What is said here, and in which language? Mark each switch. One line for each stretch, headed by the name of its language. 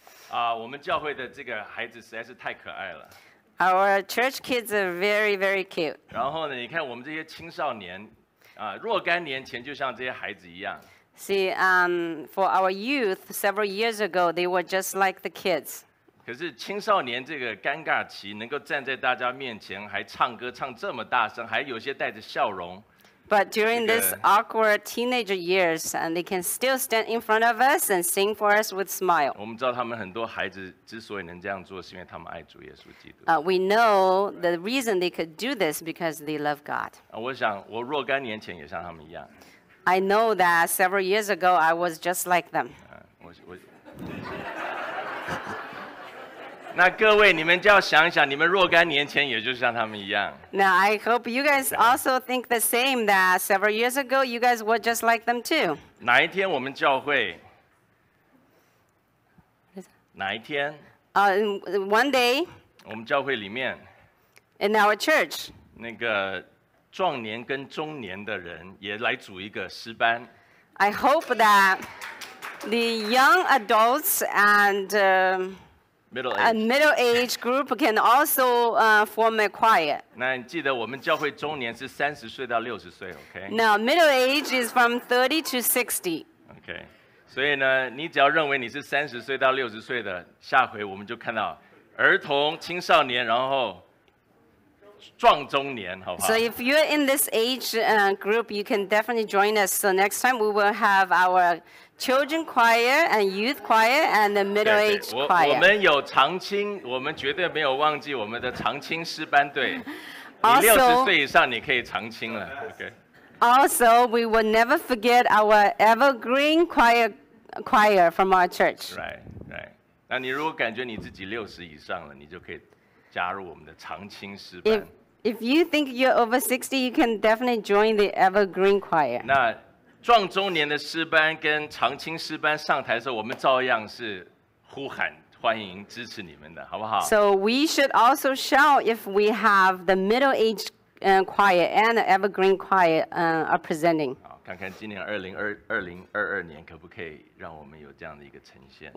Chinese: 啊，我们教会的这个孩子实在是太可爱了。
English: Our church kids are very, very cute.
Chinese: 然后呢，你看我们这些青少年，啊，若干年前就像这些孩子一样。
English: See, for our youth, several years ago, they were just like the kids.
Chinese: 可是青少年这个尴尬期，能够站在大家面前还唱歌唱这么大声，还有些带着笑容。
English: But during this awkward teenager years, and they can still stand in front of us and sing for us with smile.
Chinese: 我们知道他们很多孩子之所以能这样做，是因为他们爱主耶稣基督。
English: We know the reason they could do this because they love God.
Chinese: 我想我若干年前也像他们一样。
English: I know that several years ago, I was just like them.
Chinese: 那各位，你们就要想想，你们若干年前也就像他们一样。
English: Now I hope you guys also think the same that several years ago, you guys were just like them too.
Chinese: 哪一天我们教会？哪一天？
English: One day.
Chinese: 我们教会里面。
English: In our church.
Chinese: 那个。壮年跟中年的人也来组一个诗班。
English: I hope that the young adults and middle age group can also form a choir.
Chinese: 那你记得我们教会中年是三十岁到六十岁 ，OK？
English: Now middle age is from 30 to 60.
Chinese: OK， 所以呢，你只要认为你是三十岁到六十岁的，下回我们就看到儿童、青少年，然后。壮中年，好不好？
English: So if you're in this age group, you can definitely join us. So next time we will have our children choir and youth choir and the middle age choir.
Chinese: 我们有长青，我们绝对没有忘记我们的长青诗班队。你六十岁以上，你可以长青了。
English: Okay. Also, we will never forget our evergreen choir from our church. Right.
Chinese: 那你如果感觉你自己六十以上了，你就可以。加入我们的长青诗班。
English: If you think you're over 60, you can definitely join the Evergreen Choir.
Chinese: 那壮中年的诗班跟长青诗班上台的时候，我们照样是呼喊欢迎支持你们的，好不好
English: ？So we should also shout if we have the middle-aged choir and the Evergreen Choir are presenting.
Chinese: 看看今年2022年可不可以让我们有这样的一个呈现。